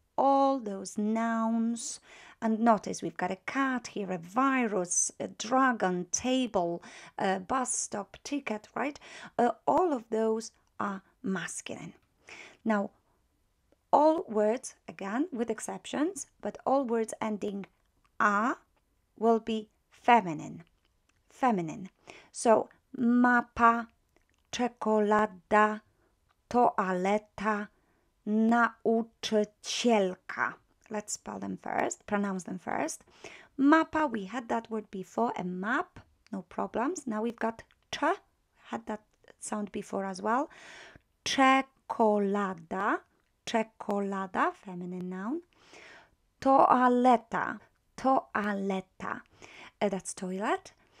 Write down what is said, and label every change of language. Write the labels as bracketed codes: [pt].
[en] All those nouns. And notice, we've got a cat here, a virus, a dragon, table, a bus stop, ticket, right? All of those are masculine. Now, all words, again, with exceptions, but all words ending a will be feminine. Feminine. [pl] So, mapa, czekolada, toaleta, nauczycielka. [en] Let's spell them first, pronounce them first. Mapa, we had that word before, a map, no problems. Now we've got cz, had that sound before as well. [pl] Czekolada, czekolada, [en] feminine noun. [pl] Toaleta, toaleta, [en] that's toilet.